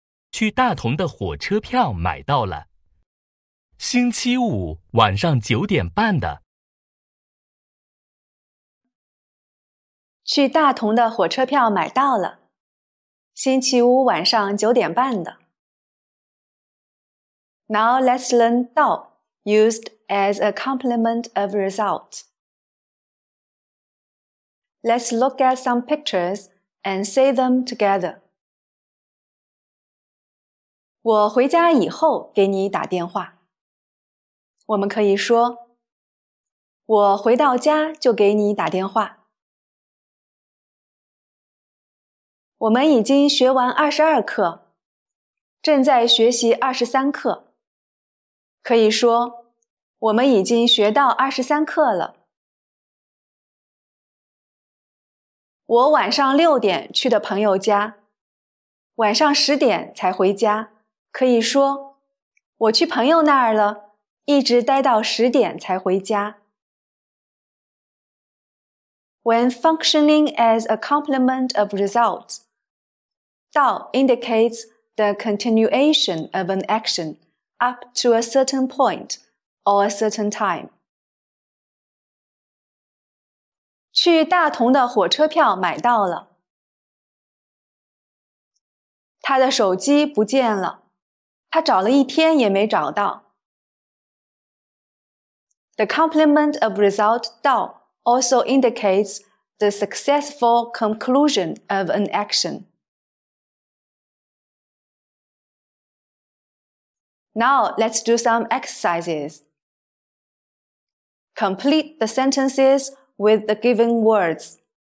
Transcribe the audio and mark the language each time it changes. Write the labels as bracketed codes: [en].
[zh] 去大同的火车票买到了，星期五晚上9:30的。去大同的火车票买到了，星期五晚上9:30的。 [en] Now let's learn 到 used as a complement of result. Let's look at some pictures and say them together. [zh] 我回家以后给你打电话。我们可以说，我回到家就给你打电话。我们已经学完22课，正在学习23课。可以说，我们已经学到23课了。我晚上六点去的朋友家，晚上十点才回家。可以说，我去朋友那儿了，一直待到十点才回家。 [en] When functioning as a complement of results, 到 indicates the continuation of an action up to a certain point or a certain time. [zh] 去大同的火车票买到了。他的手机不见了，他找了一天也没找到。 [en] The complement of result 到 also indicates the successful conclusion of an action. Now let's do some exercises. Complete the sentences with the given words.